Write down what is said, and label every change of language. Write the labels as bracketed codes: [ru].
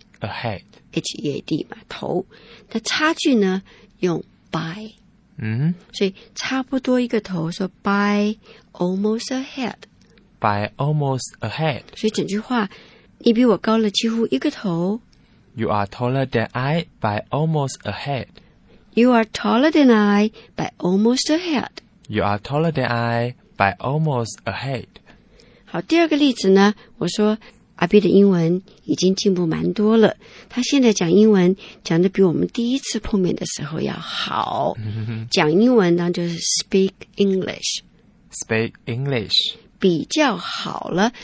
[en] Ahead。 [zh] H-E-A-D 嘛，头。那差距呢？用 by。嗯，所以差不多一个头，说 by almost ahead， [en] by almost ahead。 [zh] 所以整句话，你比我高了几乎一个头。 [en] You are taller than I by almost ahead. You are taller than I by almost ahead. You are taller than I by almost ahead. [zh] 好，第二个例子呢，我说阿 B 的英文已经进步蛮多了，他现在讲英文讲得比我们第一次碰面的时候要好。讲英文呢就是 speak English， [en] speak English [zh] 比较好了。